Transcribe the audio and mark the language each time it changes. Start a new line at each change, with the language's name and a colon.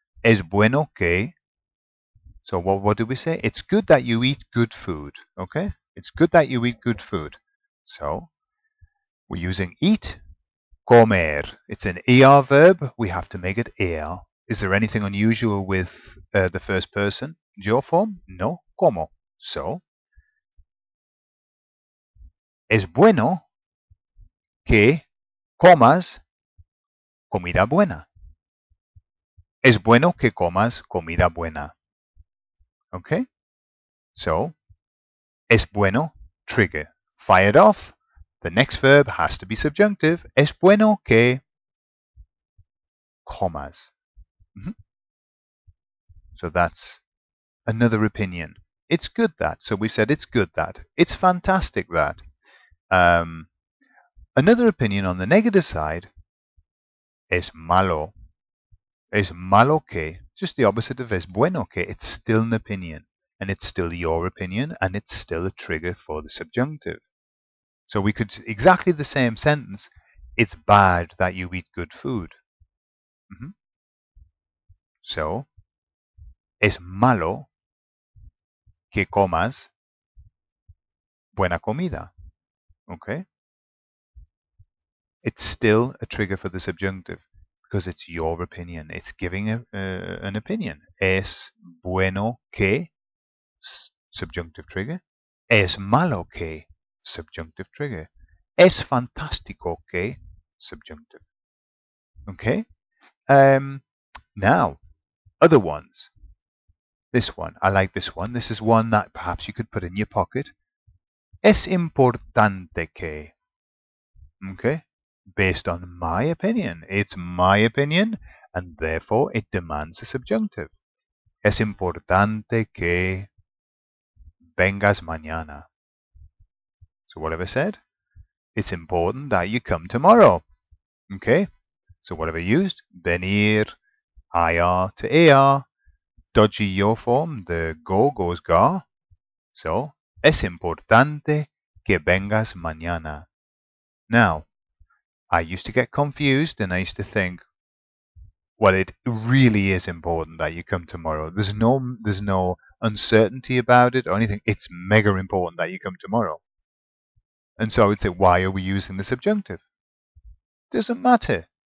Spanish: Es bueno que.
English: So what do we say? It's good that you eat good food. Okay? It's good that you eat good food. So we're using eat, comer. It's an ER verb. We have to make it ER. Is there anything unusual with the first person? Yo form? No. Como.
Spanish: So es bueno que comas comida buena. Es bueno que comas comida buena.
English: Okay? So,
Spanish: es bueno,
English: trigger. Fired off. The next verb has to be subjunctive.
Spanish: Es bueno que comas.
English: Mm-hmm. So that's another opinion. It's good that. So we've said it's good that. It's fantastic that. Another opinion on the negative side.
Spanish: Es malo. es malo que,
English: just the opposite of
Spanish: es bueno que,
English: it's still an opinion, and it's still your opinion, and it's still a trigger for the subjunctive. So we could, exactly the same sentence, it's bad that you eat good food. Mm-hmm.
Spanish: So, es malo que comas buena comida.
English: Okay? It's still a trigger for the subjunctive, because it's your opinion. It's giving an opinion.
Spanish: Es bueno que,
English: subjunctive trigger.
Spanish: Es malo que,
English: subjunctive trigger.
Spanish: Es fantástico que,
English: subjunctive. Okay? Now, other ones. This one. I like this one. This is one that perhaps you could put in your pocket.
Spanish: Es importante que.
English: Okay? Based on my opinion. It's my opinion, and therefore it demands a subjunctive.
Spanish: Es importante que vengas mañana.
English: So whatever said, it's important that you come tomorrow. Okay? So whatever used, venir, IR to AR. Dodgy your form, the go goes ga.
Spanish: So, es importante que vengas mañana.
English: Now, I used to get confused and I used to think, well, it really is important that you come tomorrow. There's no uncertainty about it or anything. It's mega important that you come tomorrow. And so I would say, why are we using the subjunctive? Doesn't matter.